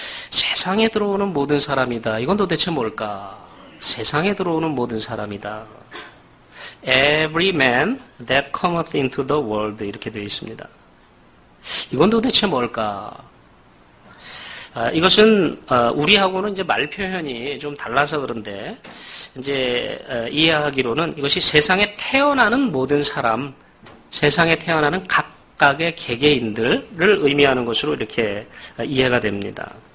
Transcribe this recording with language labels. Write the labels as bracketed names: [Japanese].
[Korean] 세상에 들어오는 모든 사람이다. 이건 도대체 뭘까? 세상에 들어오는 모든 사람이다. [English] Every man that cometh into the world. [Korean] 이렇게 되어 있습니다. 이건 도대체 뭘까? 이것은 우리하고는 이제 말 표현이 좀 달라서 그런데 이제 이해하기로는 이것이 세상에 태어나는 모든 사람, 세상에 태어나는 각각의 개개인들을 의미하는 것으로 이렇게 이해가 됩니다.